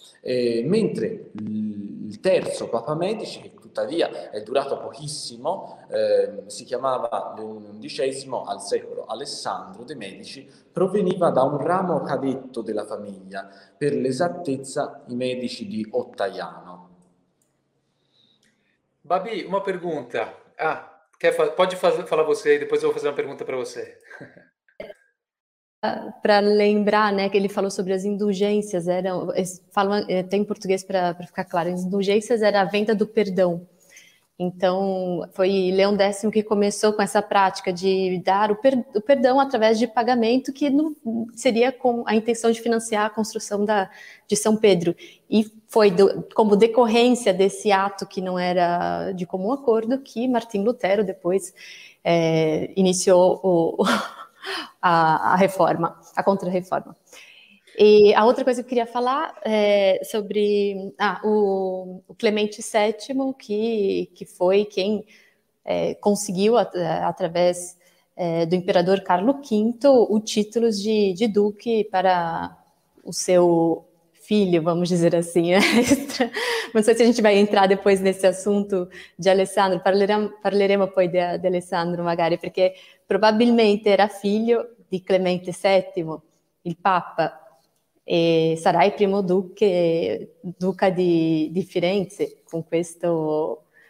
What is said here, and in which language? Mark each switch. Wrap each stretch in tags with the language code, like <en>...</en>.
<it>Mentre il terzo papa medici, che tuttavia è durato pochissimo, si chiamava Leone XI al secolo Alessandro de' Medici, proveniva da un ramo cadetto della famiglia, per l'esattezza i Medici di Ottaiano. Babi, una pergunta. Ah, che fa, poi farla voi, poi devo fare una pergunta per voi.</it> <pt>Para lembrar, né, que ele falou sobre as indulgências, eram, falam até em português para ficar claro, as indulgências era a venda do perdão. Então, foi Leão X que começou com essa prática de dar o perdão através de pagamento, que não, seria com a intenção de financiar a construção de São Pedro. E foi como decorrência desse ato, que não era de comum acordo, que Martim Lutero depois iniciou a reforma, a contra-reforma. E a outra coisa que eu queria falar é sobre o Clemente VII, que foi quem conseguiu, através do imperador Carlo V, o título de duque para o seu filho, vamos dizer assim. Não sei se a gente vai entrar depois nesse assunto de Alessandro,</pt> <it>parleremo poi de Alessandro magari,</it> <pt>porque probabilmente era filho</pt> <it>di Clemente VII, il Papa, e sarà il primo duca di Firenze con questo</it>